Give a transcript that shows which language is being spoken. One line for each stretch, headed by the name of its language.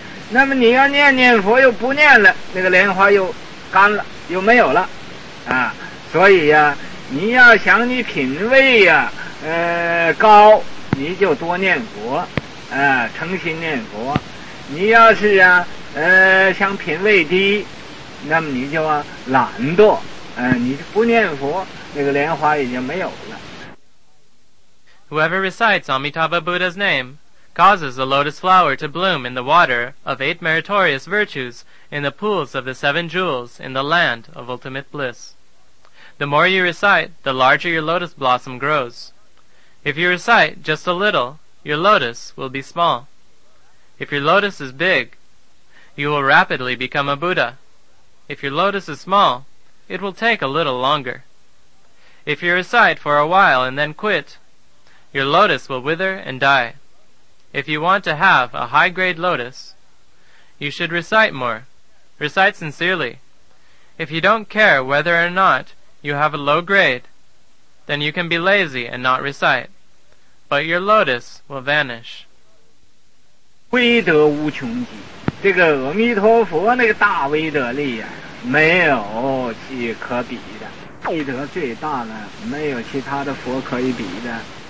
Chinese: 那么你要念念佛又不念了，那个莲花又干了又没有了所以呀，你要想你品位呀高，你就多念佛诚心念佛。你要是想品位低，那么你就懒惰你就不念佛，那个莲花已经没有了。
English: Whoever recites Amitabha Buddha's name causes a lotus flower to bloom in the water of 8 meritorious virtues in the pools of the 7 jewels in the land of ultimate bliss. The more you recite, the larger your lotus blossom grows. If you recite just a little, your lotus will be small. If your lotus is big, you will rapidly become a Buddha. If your lotus is small, it will take a little longer. If you recite for a while and then quit, your lotus will wither and die. If you want to have a high-grade lotus, you should recite more. Recite sincerely. If you don't care whether or not you have a low grade, then you can be lazy and not recite. But your lotus will vanish.
Chinese: 威德无穷极，这个阿弥陀佛那个大威德力啊，没有其可比的。威德最大了，没有其他的佛可以比的。